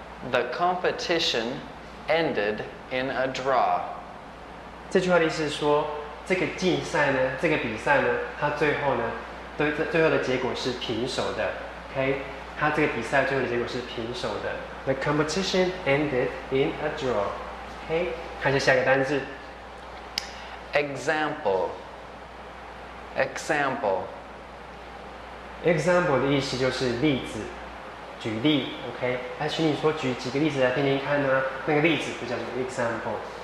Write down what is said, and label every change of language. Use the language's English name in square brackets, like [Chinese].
[English] The competition ended in a draw. [Chinese] 这句话的意思是说，这个竞赛呢，这个比赛呢，它最后呢，最后的结果是平手的。 OK， 它这个比赛最后的结果是平手的。 [English] The competition ended in a draw. [Chinese] OK， 看一下下一个单字。 [English] Example. Example. [Chinese] Example 的意思就是例子。举例 ，OK， 那请你说举几个例子来听听看呢、啊？那个例子就叫做 example。